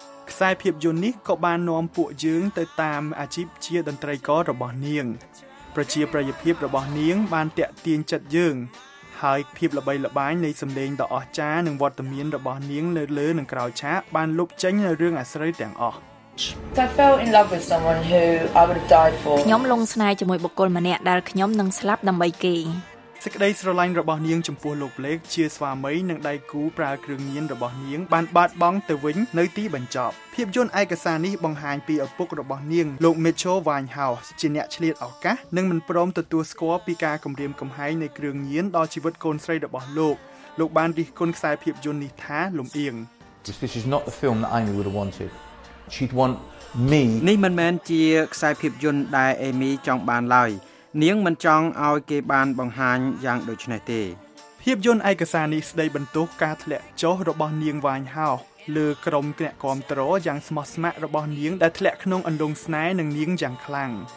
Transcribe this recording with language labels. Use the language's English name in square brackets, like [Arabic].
[Khmer] ខ្សែភាពយន្តនេះក៏បាននាំពួកយើងទៅតាមអាជីពជាតន្ត្រីកររបស់នាងប្រជាប្រិយភាពរបស់នាងបានទាក់ទាញចិត្តយើងហើយភាពល្បីល្បាញនៃសម្លេងដ៏អស្ចារ្យនិងវត្តមានរបស់នាងនៅលើនិងក្រោយឆាកបានលុបចេញនូវរឿងអាស្រូវទាំងអស់ [English] So I fell in love with someone who I would have died for. [Khmer] ខ្ញុំលង់ស្នេហ៍ជាមួយបុគ្គលម្នាក់ដែលខ្ញុំនឹងស្លាប់ដើម្បីគេ ។សេចក្តីស្រឡាញ់របស់នាងចំពោះលោក Blake ជាស្វាមីនិងដៃគូប្រើគ្រឿងញៀនរបស់នាងបានបាត់បង់ទៅវិញនៅទីបញ្ចប់។ភាពយន្តឯកសារនេះបង្ហាញពីឪពុករបស់នាងលោក Mitchell Winehouse ជាអ្នកឆ្លៀតឱកាសនិងមិនព្រមទទួលស្គាល់ពីការគំរាមកំហែងនៃគ្រឿងញៀនដល់ជីវិតកូនស្រីរបស់លោក។លោកបានរិះគន់ខ្សែភាពយន្តនេះថាលំអៀង [English] ។ This is not the film that I would have wanted. She'd want me [Khmer] នេះមិនមែនជាខ្សែភាពយន្តដែលអេមីចង់បានឡើយនាងមិនចង់ឲ្យគេបានបង្ហាញយ៉ាងដូចនេះទេ ភាពយន្តឯកសារនេះស្ដីបន្ទោសការធ្លាក់ចុះរបស់នាងវ៉ាញ់ហោលើក្រុមអ្នកគ្រប់គ្រងយ៉ាងស្មោះស្ម័គ្ររបស់នាងដែលធ្លាក់ក្នុងអន្លង់ស្នេហ៍នឹងនាងយ៉ាងខ្លាំង